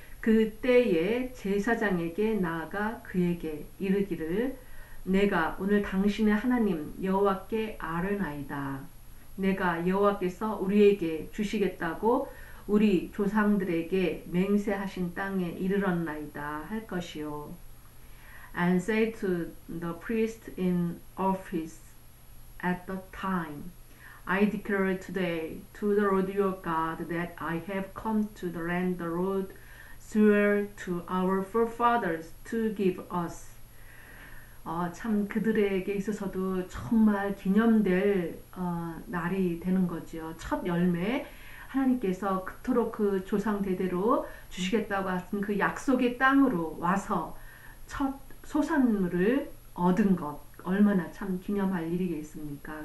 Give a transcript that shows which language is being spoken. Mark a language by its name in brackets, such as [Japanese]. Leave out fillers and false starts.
[Korean] 그때에 제사장에게 나아가 그에게 이르기를 내가 오늘 당신의 하나님 여호와께 아뢰나이다. 내가 여호와께서 우리에게 주시겠다고 우리 조상들에게 맹세하신 땅에 이르렀나이다 할 것이요. [English] And say to the priest in office at the time, I declare today to the Lord your God that I have come to the land the Lord swore to our forefathers to give us. [Korean] 참 그들에게 있어서도 정말 기념될 날이 되는 거지요. 첫 열매 하나님께서 그토록 그 조상 대대로 주시겠다고 하신 그 약속의 땅으로 와서 첫 소산물을 얻은 것 얼마나 참 기념할 일이겠습니까?